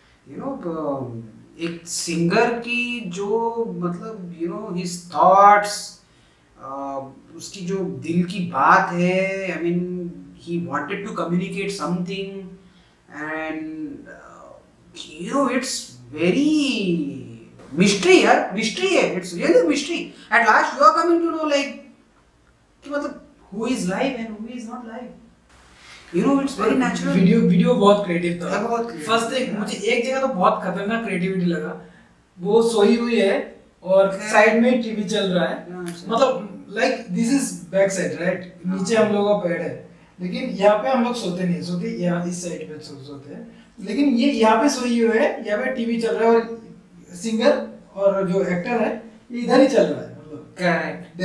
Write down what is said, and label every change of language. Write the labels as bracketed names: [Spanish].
[English] You know, [Hindi] एक singer की जो मतलब [English] you know his thoughts [Hindi] उसकी जो दिल की बात है [English] I mean he wanted to communicate something and you know it's very mystery यार [Hindi] मिस्ट्री है [English] it's really mystery at last you are coming to know like [Hindi] कि मतलब [English] Who is live and who is not live You know, it's very natural. [Hindi] Video बहुत creative था. बहुत creative. First thing मुझे एक जगह तो बहुत खतरनाक creativity लगा. वो सोई हुई है और side में TV चल रहा है. मतलब [English] like this is back side right? [Hindi] नीचे हम लोगों का bed है. लेकिन यहाँ पे हम लोग सोते नहीं. सोते यहाँ इस side पे सोते हैं. लेकिन ये यहाँ पे सोई हुई है. यहाँ पे TV चल रहा है और singer और जो actor है ये इधर ही चल रहा है.